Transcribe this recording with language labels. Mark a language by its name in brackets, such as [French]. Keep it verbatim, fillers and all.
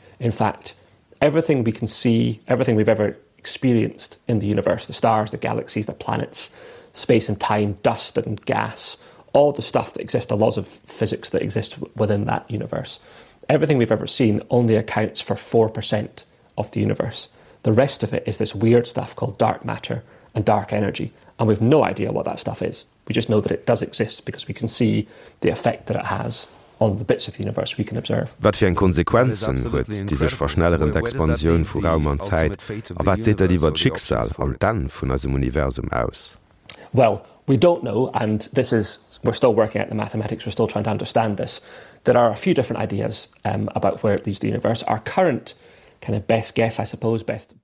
[English] In fact, everything we can see, everything we've ever experienced in the universe, the stars, the galaxies, the planets, space and time, dust and gas, all the stuff that exists, the laws of physics that exist within that universe, everything we've ever seen only accounts for four percent of the universe. The rest of it is this weird stuff called dark matter and dark energy, and we've no idea what that stuff is. We just know that it does exist because we can see the effect that it has on the bits of the universe we can observe. [Luxembourgish] Wat fir en Konsequenzen huet die sech verschnelleren Expansioun vu Raum an Zeit, a wat seet et iwwer d'Schicksal an dann vun assem Universum aus? [English] Well, we don't know, and this is we're still working out the mathematics, we're still trying to understand this. There are a few different ideas um, about where it leads the universe. Our current kind of best guess, I suppose, best...